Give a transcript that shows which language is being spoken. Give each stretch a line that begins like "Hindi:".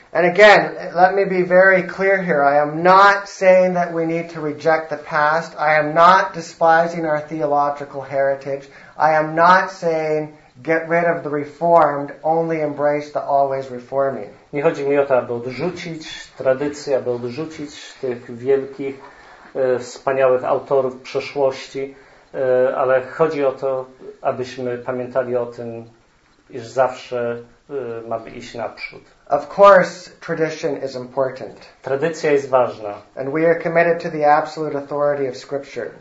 English: And again, let me be very clear here. I am not saying that we need to reject the past. I am not despising our theological heritage. I am not saying get rid of the reformed, only embrace the always reforming.
Polish: Nie chodzi mi o to, aby odrzucić tradycję, aby odrzucić tych wielkich, wspaniałych autorów przeszłości, ale chodzi o to, abyśmy pamiętali o tym, iż zawsze mamy iść naprzód.
English: Of course, tradition is important.
Polish: Tradycja jest ważna.
English: And we are committed to the absolute authority of Scripture.